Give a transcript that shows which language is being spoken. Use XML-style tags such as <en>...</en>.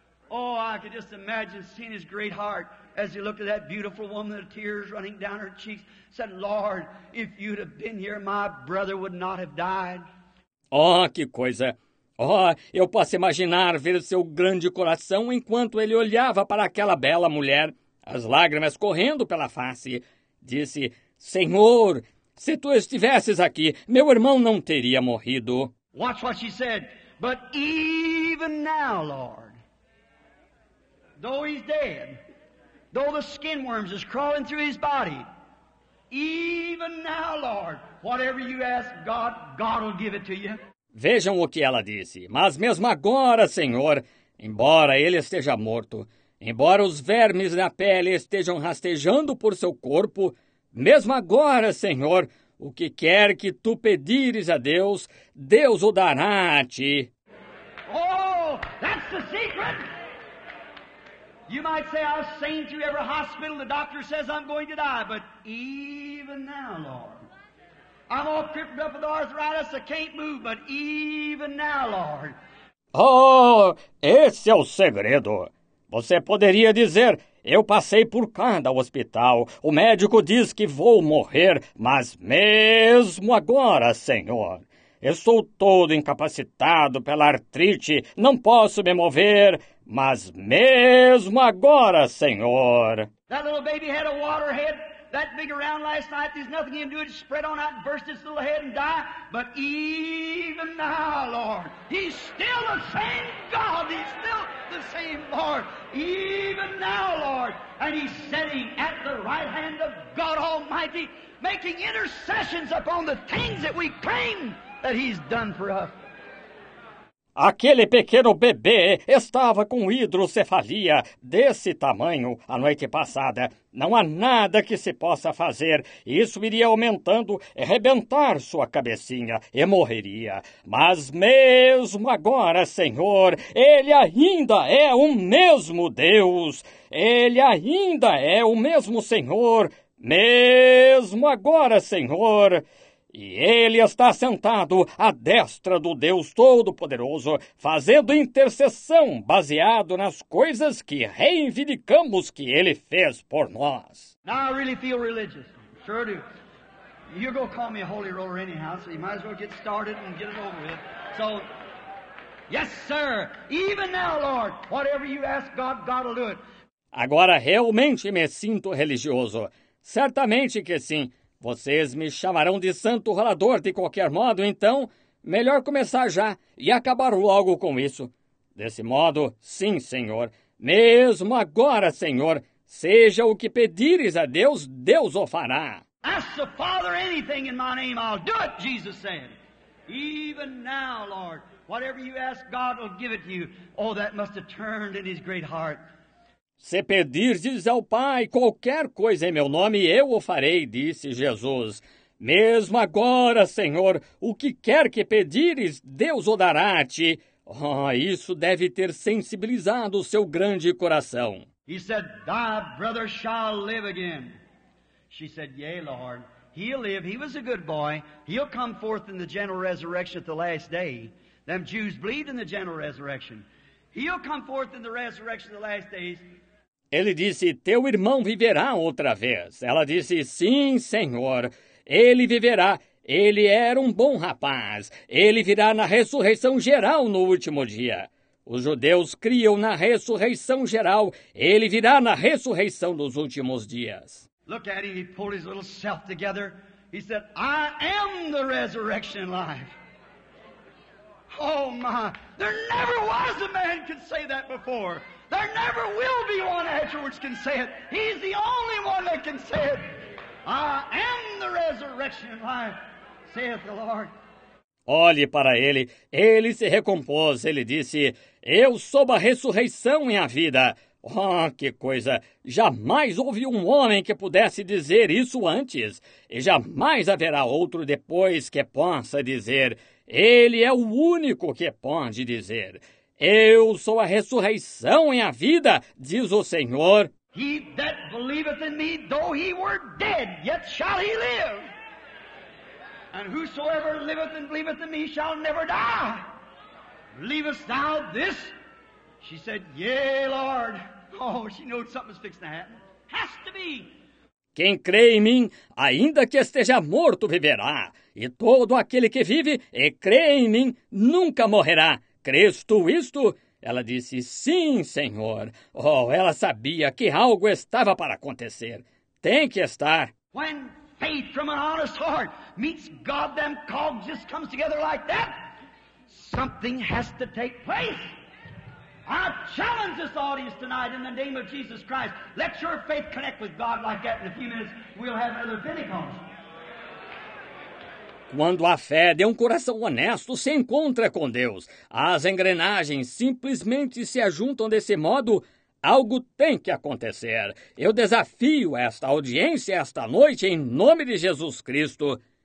<en>Oh, I could just imagine seeing his great heart as he looked at that beautiful woman, the tears running down her cheeks, said, Lord, if you'd have been here, my brother would not have died.</en> <pt>Oh, que coisa. Oh, eu posso imaginar ver seu grande coração enquanto ele olhava para aquela bela mulher, as lágrimas correndo pela face. Disse, Senhor, se tu estivesses aqui, meu irmão não teria morrido.</pt> <en>Watch what she said. But even now, Lord, though he's dead, though the skin worms is crawling through his body, even now, Lord, whatever you ask God, God will give it to you.</en> <pt>Vejam o que ela disse. Mas mesmo agora, Senhor, embora ele esteja morto, embora os vermes na pele estejam rastejando por seu corpo, mesmo agora, Senhor, o que quer que tu pedires a Deus, Deus o dará a ti.</pt> <en>Oh, that's the secret. You might say I've seen through every hospital, the doctor says I'm going to die, but even now, Lord, I'm all crippled up with arthritis, I can't move, but even now, Lord.</en> <pt>Oh, esse é o segredo. Você poderia dizer, eu passei por cada hospital, o médico diz que vou morrer, mas mesmo agora, Senhor, eu sou todo incapacitado pela artrite, não posso me mover, mas mesmo agora, Senhor.</pt> <en>That little baby had a water head. That big around last night, there's nothing he can do to spread on out and burst his little head and die. But even now, Lord, he's still the same God. He's still the same Lord. Even now, Lord, and he's sitting at the right hand of God Almighty, making intercessions upon the things that we claim that he's done for us.</en> <pt>Aquele pequeno bebê estava com hidrocefalia desse tamanho a noite passada. Não há nada que se possa fazer. Isso iria aumentando, arrebentar sua cabecinha e morreria. Mas mesmo agora, Senhor, ele ainda é o mesmo Deus. Ele ainda é o mesmo Senhor. Mesmo agora, Senhor. E ele está sentado à destra do Deus Todo-Poderoso, fazendo intercessão baseado nas coisas que reivindicamos que ele fez por nós.</pt> <en>Now I really feel religious. Sure do. You go call me a holy roller anyhow, so you might as well get started and get it over with. So, yes, sir, even now, Lord, whatever you ask God, God will do it.</en> <pt>Agora realmente me sinto religioso. Certamente que sim. Vocês me chamarão de santo ralador de qualquer modo, então melhor começar já e acabar logo com isso. Desse modo, sim, senhor. Mesmo agora, senhor, seja o que pedires a Deus, Deus o fará.</pt> <en>Ask the Father anything in my name, I'll do it, Jesus said. Even now, Lord, whatever you ask, God will give it to you. Oh, that must have turned in his great heart.</en> <pt>Se pedirdes ao Pai qualquer coisa em meu nome, eu o farei, disse Jesus. Mesmo agora, Senhor, o que quer que pedires, Deus o dará a ti. Oh, isso deve ter sensibilizado o seu grande coração.</pt> <en>He said, thy brother shall live again. She said, yea, Lord, he'll live. He was a good boy. He'll come forth in the general resurrection at the last day. Them Jews believed in the general resurrection. He'll come forth in the resurrection of the last days.</en> <pt>Ele disse, teu irmão viverá outra vez. Ela disse, sim, Senhor, ele viverá. Ele era um bom rapaz. Ele virá na ressurreição geral no último dia. Os judeus criam na ressurreição geral. Ele virá na ressurreição dos últimos dias.</pt> <en>Look at him, he pulled his little self together. He said, I am the resurrection life. Oh my, there never was a man could say that before. There never will be one afterwards can say it. He's the only one that can say it. I am the resurrection life, saith the Lord.</en> <pt>Olhe para ele, ele se recompôs, ele disse, eu sou a ressurreição e a vida. Oh, que coisa! Jamais houve um homem que pudesse dizer isso antes, e jamais haverá outro depois que possa dizer. Ele é o único que pode dizer. Eu sou a ressurreição e a vida, diz o Senhor.</pt> <en>He that believeth in me, though he were dead, yet shall he live. And whosoever liveth and believeth in me shall never die. Believest thou this? She said, yea, Lord. Oh, she knows something's fixed to happen. Has to be.</en> <pt>Quem crê em mim, ainda que esteja morto, viverá. E todo aquele que vive e crê em mim, nunca morrerá. Crês tu isto? Ela disse, sim, Senhor. Oh, ela sabia que algo estava para acontecer. Tem que estar.</pt> <en>When faith from an honest heart meets God, them cogs just comes together like that. Something has to take place. I challenge this audience tonight in the name of Jesus Christ. Let your faith connect with God like that in a few minutes. We'll have another Pentecost.</en> <pt>Quando a fé de um coração honesto se encontra com Deus, as engrenagens simplesmente se ajuntam desse modo, algo tem que acontecer. Eu desafio esta audiência esta noite em nome de Jesus Cristo.</pt>